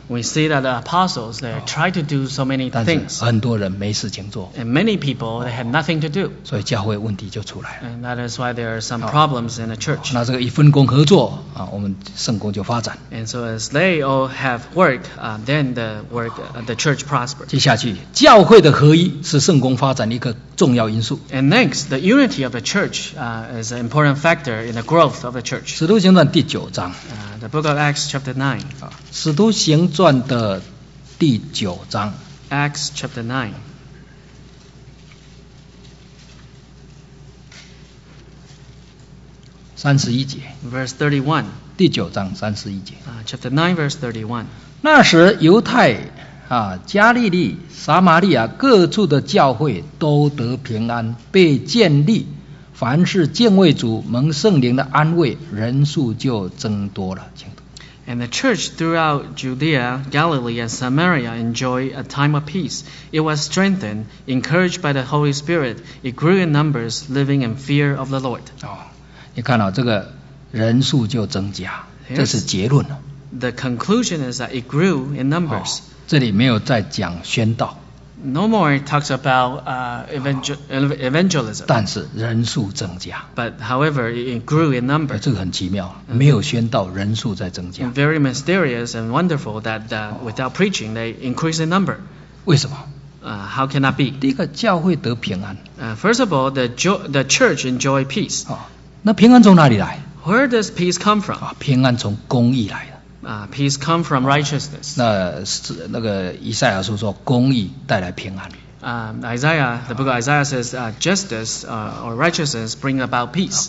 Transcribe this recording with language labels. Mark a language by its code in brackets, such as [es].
[en] We see that the apostles they try to do so many things. [zh] 但是很多人没事情做。 [en] And many people they had nothing to do. [zh] 所以教会问题就出来了。 [en] And that is why there are some problems in the church. [zh] 那这个一分工合作我们圣工就发展。 [en] And so as they all have work, then the work the church prospers. [zh] 接下去，教会的合一是圣工发展一个重要因素。 [en] And next, the unity of the church is an important factor in the growth of the church. [zh] 使徒行传第九章。 [en] The book of Acts chapter 9. [zh] 使徒行传的第九章。 [en] Acts chapter 9. [zh] 三十一节 [en] ，verse 31， [zh] 第九章三十一节。 [en] Chapter 9, verse 31。 [zh] 那时犹太加利利、撒玛利亚各处的教会都得平安，被建立。凡是敬畏主、蒙圣灵的安慰，人数就增多了。请读。 [en] And the church throughout Judea, Galilee, and Samaria enjoyed a time of peace. It was strengthened, encouraged by the Holy Spirit. It grew in numbers, living in fear of the Lord. [zh] 你看到这个人数就增加，这是结论了。 [en] The conclusion is that it grew in numbers. [zh] 这里没有再讲宣道。 [en] No more talks about evangelism. [zh] 但是人数增加。 [en] But however, it grew in numbers. [zh] 这个很奇妙，没有宣道，人数在增加。 [en] Very mysterious and wonderful that without preaching, they increase in number. [zh] 为什么？ [en] How can that be? [zh] 第一个，教会得平安。 [en] First of all, the church enjoy peace. [zh] 那平安从哪里来？ [en] Where does peace come from? [zh] 平安从公义来的。 [en] Peace come from righteousness. [zh] 那个以赛亚书说公义带来平安。 [en] The book of Isaiah says justice or righteousness bring about peace.